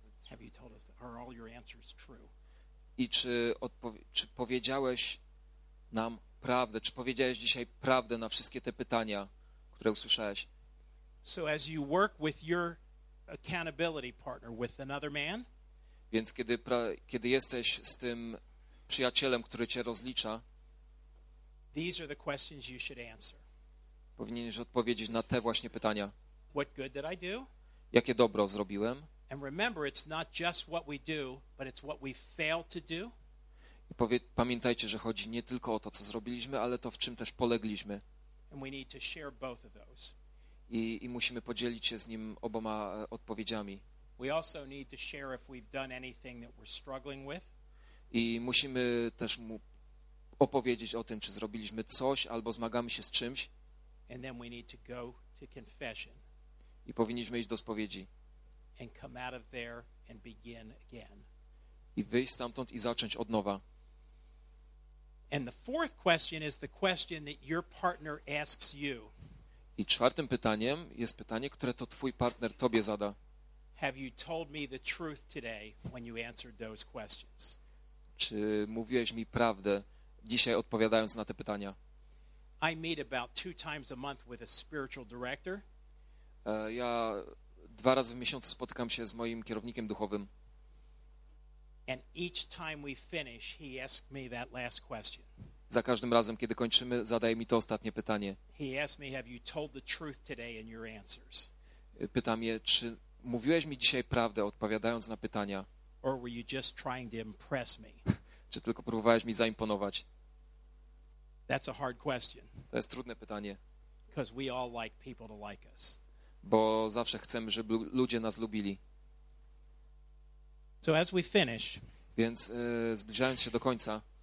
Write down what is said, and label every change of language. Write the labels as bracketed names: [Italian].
[English] Have you told us are all your answers true? [Polish] I czy powiedziałeś nam prawdę, czy powiedziałeś dzisiaj prawdę na wszystkie te pytania, które usłyszałeś? [English] So as you work with your accountability partner with another man, [Polish] więc kiedy jesteś z tym przyjacielem, który cię rozlicza, [English] these are the questions you should answer. [Polish] Powinieneś odpowiedzieć na te właśnie pytania. [English] What good did I do? [Polish] Jakie dobro zrobiłem? [English] And remember, it's not just what we do, but it's what we fail to do. [Polish] Pamiętajcie, że chodzi nie tylko o to, co zrobiliśmy, ale to, w czym też polegliśmy. [English] And we need to share both of those. [Polish] I musimy podzielić się z nim oboma odpowiedziami. [English] We also need to share if we've done anything that we're struggling with. [Polish] I musimy też mu opowiedzieć o tym, czy zrobiliśmy coś, albo zmagamy się z czymś. [English] And then we need to go to confession. [Polish] I powinniśmy iść do spowiedzi. [English] And come out of there and begin again. [Polish] I wyjść stamtąd i zacząć od nowa. [English] And the fourth question is the question that your partner asks you. [Polish] I czwartym pytaniem jest pytanie, które to twój partner tobie zada. [English] Have you told me the truth today when you answered those questions? [Polish] Czy mówiłeś mi prawdę dzisiaj odpowiadając na te pytania? [English] I meet about two times a month with a spiritual director. [Polish] Ja dwa razy w miesiącu spotykam się z moim kierownikiem duchowym. [English] And each time we finish, he asks me that last question. [Polish] Za każdym razem, kiedy kończymy, zadaje mi to ostatnie pytanie. [English] He asks me, have you told the truth today in your answers? [Polish] Pyta mnie, czy mówiłeś mi dzisiaj prawdę, odpowiadając na pytania? [English] Or were you just trying to impress me? [Polish] Czy tylko próbowałeś mi zaimponować? [English] That's a hard question. [Polish] To jest trudne pytanie. [English] Because we all like people to like us. [Polish] Bo zawsze chcemy, żeby ludzie nas lubili. [English] So as we finish, [Polish] więc zbliżając się do końca,